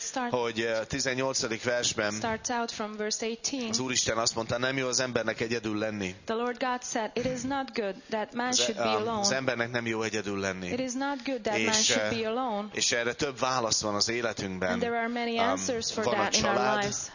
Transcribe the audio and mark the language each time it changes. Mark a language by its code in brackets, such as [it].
[hu] Hogy 18. versben az Úristen azt mondta, nem jó az embernek egyedül lenni. [en] The Lord God said, it is not good that man should be alone. [hu] Az embernek nem jó egyedül lenni. [en] It is not good that man should be alone. [hu] És erre több válasz van az életünkben. [en] And there are many answers for that in our lives.